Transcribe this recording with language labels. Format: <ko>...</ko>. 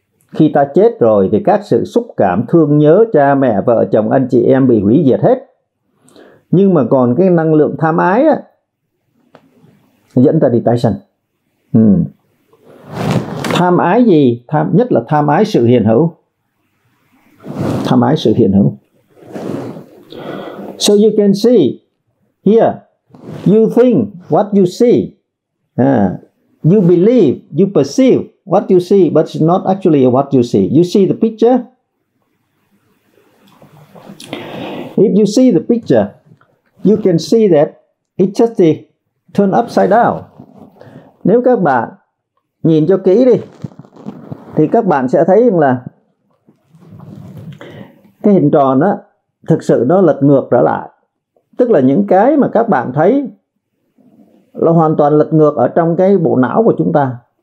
<vi>Khi ta chết rồi thì các sự xúc cảm thương nhớ cha mẹ, vợ chồng, anh chị em bị hủy diệt hết. Nhưng mà còn cái năng lượng tham ái á, dẫn ta đi tái sanh. Tham ái gì? Tham nhất là tham ái sự hiện hữu. Tham ái sự hiện hữu.</vi> <en>So you can see here, you think what you see. You believe, you perceive what you see, but it's not actually what you see. You see the picture. If you see the picture, you can see that it's just turned upside down.</en> <vi>Nếu các bạn nhìn cho kỹ đi, thì các bạn sẽ thấy rằng là cái hình tròn đó thực sự nó lật ngược trở lại. Tức là những cái mà các bạn thấy là hoàn toàn lật ngược ở trong cái bộ não của chúng ta.</vi>